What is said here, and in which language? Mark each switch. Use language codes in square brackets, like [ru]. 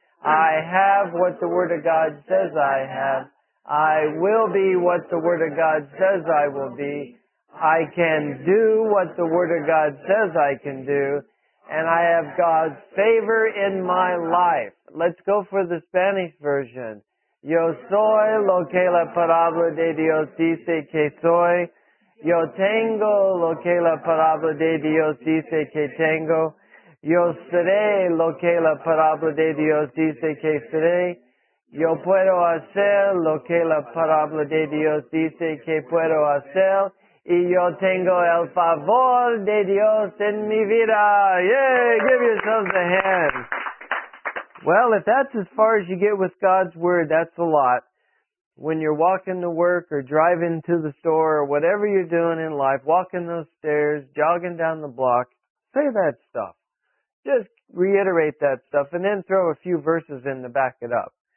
[en] I have what the Word of God says I have. I will be what the Word of God says I will be. I can do what the Word of God says I can do, and I have God's favor in my life. Let's go for the Spanish version. [es] Yo soy lo que la palabra de Dios dice que soy. Yo tengo lo que la palabra de Dios dice que tengo. Yo seré lo que la palabra de Dios dice que seré. Yo puedo hacer lo que la palabra de Dios dice que puedo hacer. Y yo tengo el favor de Dios en mi vida. [en] Yay! Give yourselves a hand. Well, if that's as far as you get with God's Word, that's a lot. When you're walking to work or driving to the store or whatever you're doing in life, walking those stairs, jogging down the block, say that stuff. Just reiterate that stuff and then throw a few verses in to back it up.